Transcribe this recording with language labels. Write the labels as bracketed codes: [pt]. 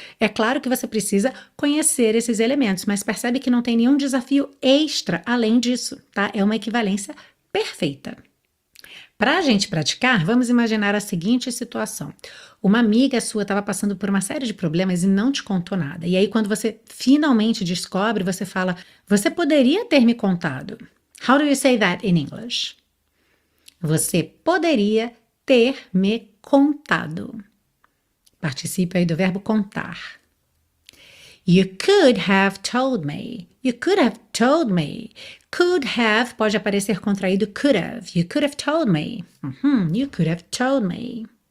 [pt] É claro que você precisa conhecer esses elementos, mas percebe que não tem nenhum desafio extra além disso, tá? É uma equivalência perfeita. Para a gente praticar, vamos imaginar a seguinte situação. Uma amiga sua estava passando por uma série de problemas e não te contou nada. E aí, quando você finalmente descobre, você fala: Você poderia ter me contado? [en] How do you say that in English? [pt] Você poderia ter me contado. Participio aí do verbo contar. [en] You could have told me. You could have told me. Could have [pt] pode aparecer contraído [en] could have. You could have told me. You could have told me.